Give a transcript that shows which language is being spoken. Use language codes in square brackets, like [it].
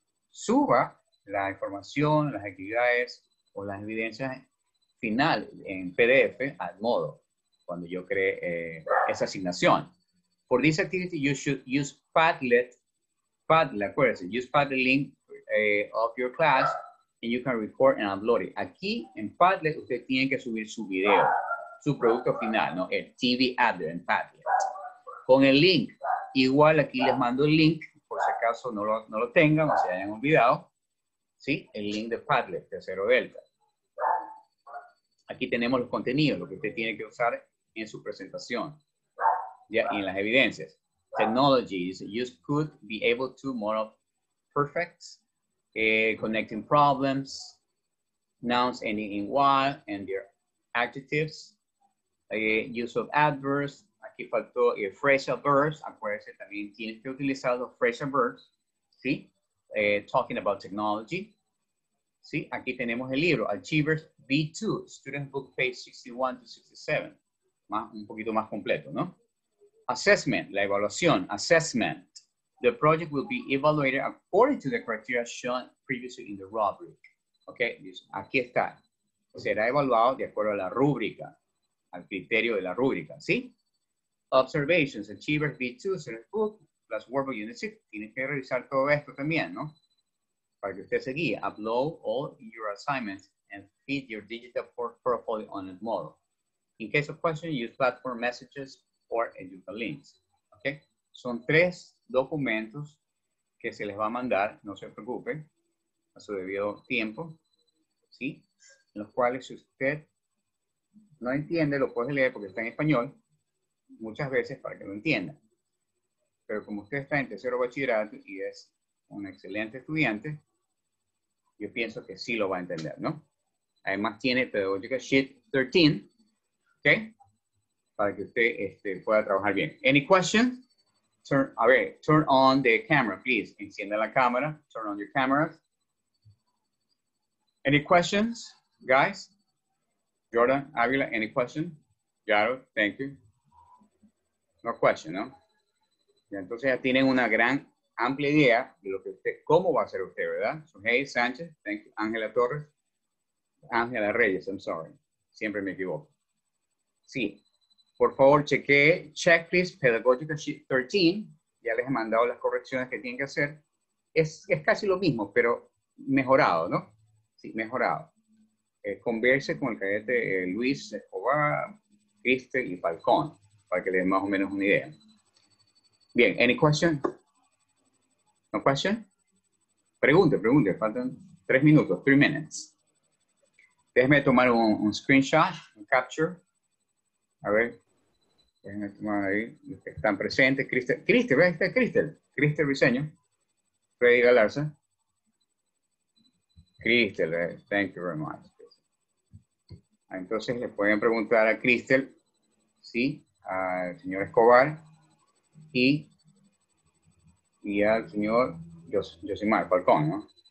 [es] Suba la información, las actividades o las evidencias final en PDF al Moodle cuando yo cree esa asignación. [en] For this activity, you should use Padlet, acuérdense, use Padlet link of your class and you can record and upload it. [es] Aquí en Padlet, usted tiene que subir su video, su producto final, ¿no? El TV advert en Padlet. Con el link, igual aquí les mando el link, por si acaso no lo tengan o se hayan olvidado, ¿sí? El link de Padlet, de Cero Delta. Aquí tenemos los contenidos, lo que usted tiene que usar en su presentación, ¿ya? Y en las evidencias. [en] Technologies, you could be able to model perfects, connecting problems, nouns ending in while, and their adjectives, use of adverbs, [es] aquí faltó phrasal verbs, acuérdense también tienes que utilizar los phrasal verbs, ¿sí? [en] Talking about technology, ¿sí? [es] Aquí tenemos el libro, Achievers B2, Student Book page 61 to 67, un poquito más completo, ¿no? [en] Assessment, [es] la evaluación, [en] assessment. The project will be evaluated according to the criteria shown previously in the rubric. [es] Okay, aquí está. Será evaluado de acuerdo a la rúbrica, al criterio de la rúbrica, ¿sí? [en] Observations, Achievers B2, Student Book, plus Workbook Unit 6. [es] Tienes que revisar todo esto también, ¿no? Para que usted se guíe. [en] Upload all your assignments and feed your digital portfolio on the model. In case of question, use platform messages or educa links, ¿ok? [es] Son tres documentos que se les va a mandar, no se preocupen, a su debido tiempo, ¿sí? En los cuales si usted no entiende, lo puede leer porque está en español, muchas veces para que lo entienda. Pero como usted está en tercero bachillerato y es un excelente estudiante, yo pienso que sí lo va a entender, ¿no? Además tiene pedagógica sheet 13, ¿ok? Para que usted pueda trabajar bien. [en] Any questions? Turn on the camera, please. [es] Encienda la cámara. [en] Turn on your cameras. Any questions, guys? Jordan, Avila, any question? Yaro, thank you. No question, ¿no? [es] Y entonces ya tienen una gran amplia idea de lo que cómo va a ser usted, ¿verdad? [en] So, hey, Sánchez, thank you. [es] Ángela Torres. Ángela Reyes, [en] I'm sorry. [es] Siempre me equivoco. Sí. por favor, chequee Checklist Pedagogical Sheet 13. Ya les he mandado las correcciones que tienen que hacer. Es casi lo mismo, pero mejorado, ¿no? Sí, mejorado. Converse con el cadete Luis Escobar, Cristel y Falcón, para que le den más o menos una idea. [en] Bien, any question? No question? [es] Pregunte, faltan 3 minutos, [en] 3 minutes. [es] Déjeme tomar un screenshot, un capture. A ver, déjenme tomar ahí, los que están presentes. Cristel, ¿ves? Está Cristel Riseño, Freddy Galarza. [en] Cristel, thank you very much. [es] Entonces le pueden preguntar a Cristel, ¿sí? Al señor Escobar y al señor Josimar Falcón, ¿no?